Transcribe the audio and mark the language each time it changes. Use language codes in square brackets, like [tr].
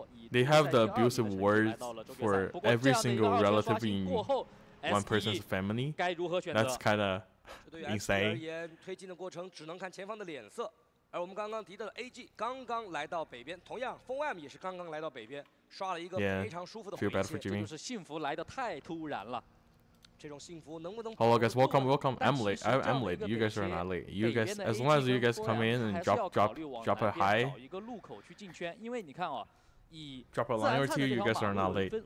[en] they have the abusive words for every single relative in one person's family. That's kind of insane. [zh] 而我们刚刚敌的AG刚刚来到北边 同样FOM也是刚刚来到北边刷了一个非常舒服的环境，真的是幸福来得太突然了。 [en] Hello guys, welcome. I'm late. You guys are not late. You guys, as long as you guys come in and drop a high, drop a line or two, you guys are not late.